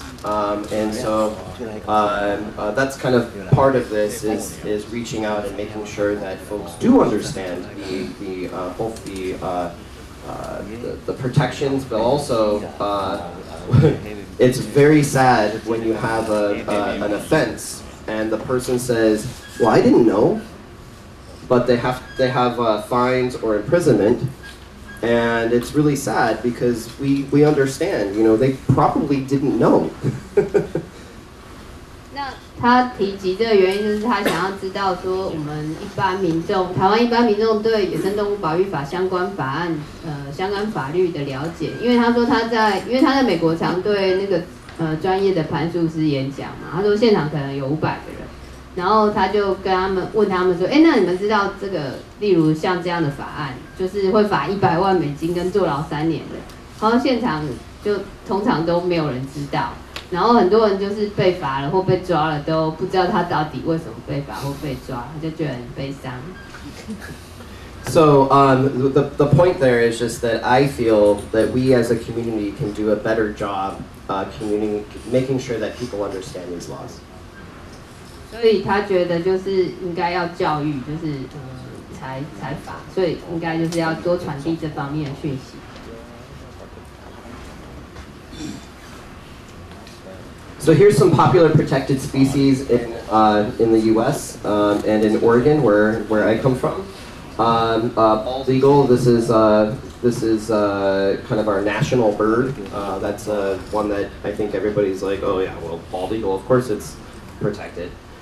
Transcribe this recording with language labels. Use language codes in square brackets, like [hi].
[en] That's kind of part of this is reaching out and making sure that folks do understand the protections, but also it's very sad when you have an offense and the person says, well, I didn't know, but they have fines or imprisonment, and it's really sad because we understand, you know, they probably didn't know. [zh] 他提及这个原因就是他想要知道说我们一般民众台湾一般民众对野生动物保育法相关法案相关法律的了解，因为他说他在美国常对那个专业的攀树师演讲嘛，他说现场可能有500个人，然后他就跟他们问他们说，那你们知道这个例如像这样的法案就是会罚$100,000跟坐牢3年的，然后现场就通常都没有人知道，然后很多人就是被罚了或被抓了都不知道他到底为什么被罚或被抓，他就觉得很悲伤。 [en] So the point there is just that I feel that we as a community can do a better job making sure that people understand these laws. [zh] 所以他觉得就是应该要教育就是才罚，所以应该就是要多传递这方面的讯息。 [en] So here's some popular protected species in the U.S. And in Oregon, where I come from. Bald eagle, this is kind of our national bird. That's one that I think everybody's like, oh yeah, well, bald eagle, of course it's protected.